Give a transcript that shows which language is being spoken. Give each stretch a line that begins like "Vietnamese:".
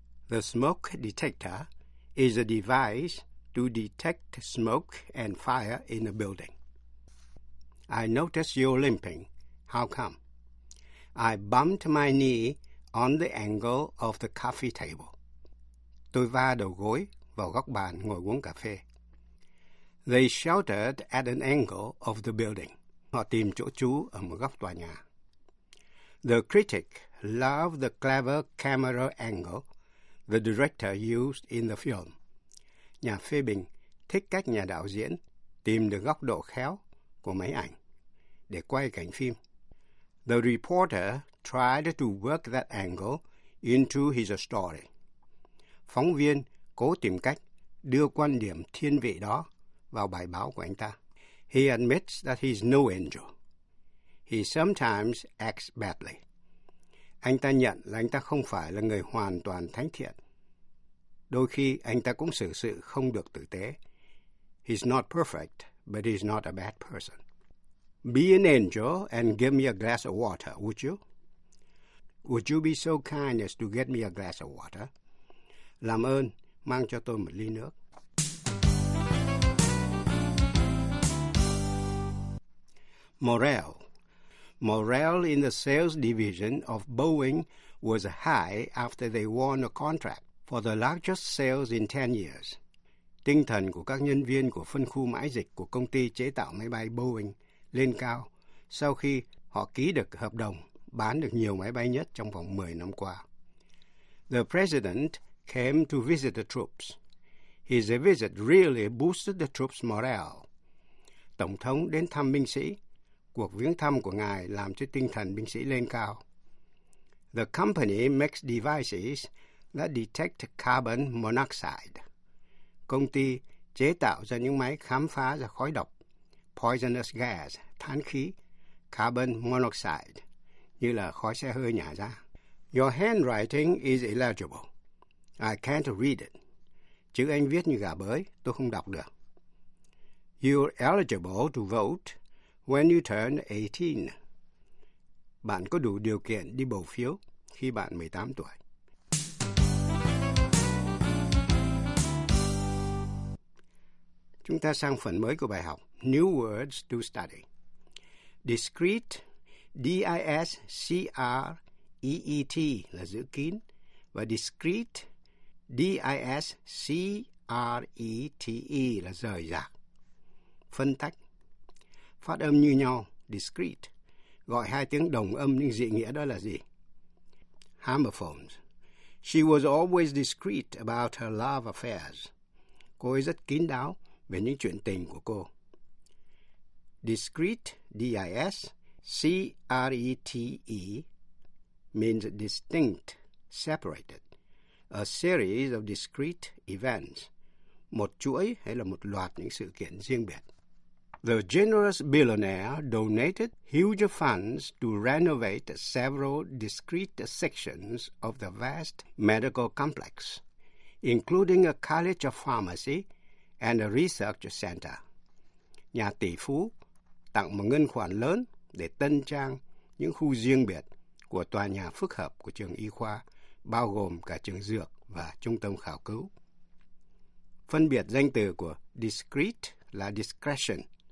English: The smoke detector is a device to detect smoke and fire in a building. I noticed you limping. How come? I bumped my knee on the angle of the coffee table.
Vietnamese: Tôi va đầu gối vào góc bàn ngồi uống cà phê.
English: They sheltered at an angle of the building.
Vietnamese: Họ tìm chỗ trú ở một góc tòa nhà.
English: The critic loved the clever camera angle the director used in the film.
Vietnamese: Nhà phê bình thích cách nhà đạo diễn tìm được góc độ khéo của máy ảnh để quay cảnh phim.
English: The reporter tried to work that angle into his story.
Vietnamese: Phóng viên cố tìm cách đưa quan điểm thiên vị đó vào bài báo của anh ta.
English: He admits that he's no angel. He sometimes acts badly.
Vietnamese: Anh ta nhận là anh ta không phải là người hoàn toàn thánh thiện. Đôi khi anh ta cũng xử sự không được tử tế.
English: He's not perfect, but he's not a bad person. Be an angel and give me a glass of water, would you? Would you be so kind as to get me a glass of water?
Vietnamese: Làm ơn, mang cho tôi một ly nước.
English: Morale. Morale in the sales division of Boeing was high after they won a contract for the largest sales in 10 years.
Vietnamese: Tinh thần của các nhân viên của phân khu mãi dịch của công ty chế tạo máy bay Boeing lên cao sau khi họ ký được hợp đồng bán được nhiều máy bay nhất trong vòng 10 năm qua.
English: The president came to visit the troops. His visit really boosted the troops' morale.
Vietnamese: Tổng thống đến thăm binh sĩ. Cuộc viếng thăm của ngài làm cho tinh thần binh sĩ lên cao.
English: The company makes devices that detect carbon monoxide.
Vietnamese: Công ty chế tạo ra những máy khám phá ra khói độc,
English: poisonous gas,
Vietnamese: than khí, carbon monoxide, như là khói xe hơi nhả ra.
English: Your handwriting is illegible. I can't read it.
Vietnamese: Chữ anh viết như gà bới, tôi không đọc được.
English: You're eligible to vote when you turn 18.
Vietnamese: Bạn có đủ điều kiện đi bầu phiếu khi bạn 18 tuổi. Chúng ta sang phần mới của bài học.
English: New words to study.
Vietnamese: Discreet, D-I-S-C-R-E-E-T là giữ kín. Và discreet, D-I-S-C-R-E-T-E là rời rạc. Phân tách. Phát âm như nhau, discreet. Gọi hai tiếng đồng âm nhưng dị nghĩa đó là gì?
English: Hammerphones. She was always discreet about her love affairs.
Vietnamese: Cô ấy rất kín đáo về những chuyện tình của cô.
English: Discreet, D-I-S-C-R-E-T-E, means distinct, separated. A series of discreet events.
Vietnamese: Một chuỗi hay là một loạt những sự kiện riêng biệt.
English: The generous billionaire donated huge funds to renovate several discrete sections of the vast medical complex, including a college of pharmacy and a research center.
Vietnamese: Nhà tỷ phú tặng một ngân khoản lớn để tân trang những khu riêng biệt của tòa nhà phức hợp của trường y khoa, bao gồm cả trường dược và trung tâm khảo cứu. Phân biệt danh từ của discreet là discretion.